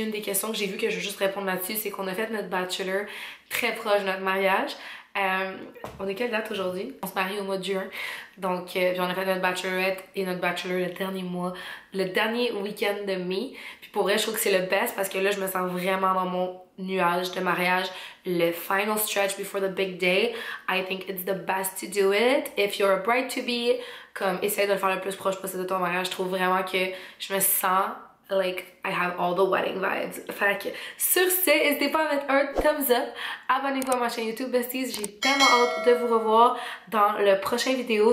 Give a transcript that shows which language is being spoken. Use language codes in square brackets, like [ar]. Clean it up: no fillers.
[fr] Une des questions que j'ai vues que je veux juste répondre là-dessus, c'est qu'on a fait notre bachelor très proche de notre mariage. On est quelle date aujourd'hui? On se marie au mois de juin. Donc, puis on a fait notre bachelorette et notre bachelor le dernier mois, le dernier week-end de mai. Puis pour vrai, je trouve que c'est le best parce que là, je me sens vraiment dans mon nuage de mariage. [en] Le final stretch before the big day. I think it's the best to do it. If you're a bride-to-be, [fr] comme essaye de le faire le plus proche possible de ton mariage. Je trouve vraiment que je me sens... [en] like, I have all the wedding vibes. [fr] Fait que, sur ce, n'hésitez pas à mettre un thumbs up. Abonnez-vous à ma chaîne YouTube, besties. J'ai tellement hâte de vous revoir dans le prochain vidéo.